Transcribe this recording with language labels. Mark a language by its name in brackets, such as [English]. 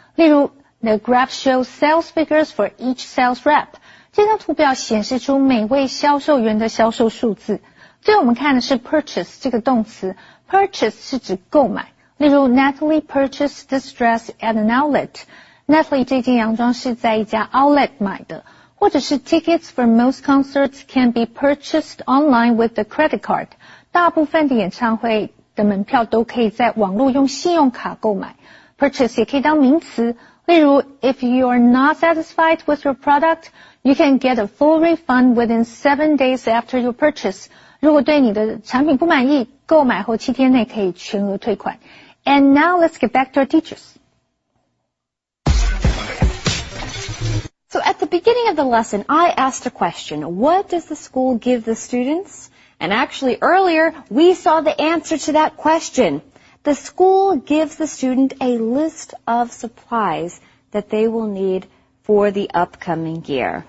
[Chinese] 例如 [English] the graph shows sales figures for each sales rep. [Chinese] 这张图表显示出每位销售员的销售数字。最后我们看的是 purchase 这个动词。purchase 是指购买。例如 [English] Natalie purchased this dress at an outlet. Natalie [Chinese] 这件洋装是在一家 outlet 买的。或者是 [English] tickets for most concerts can be purchased online with a credit card. [Chinese] 大部分的演唱会的门票都可以在网络用信用卡购买。 purchase 也可以当名词。例如 [English] if you are not satisfied with your product,You can get a full refund within 7 days after your purchase. [Chinese] 如果对你的产品不满意，购买后七天内可以全额退款。 [English] And now let's get back to our teachers. So at the beginning of the lesson, I asked a question. What does the school give the students? And actually earlier, we saw the answer to that question. The school gives the student a list of supplies that they will need for the upcoming year.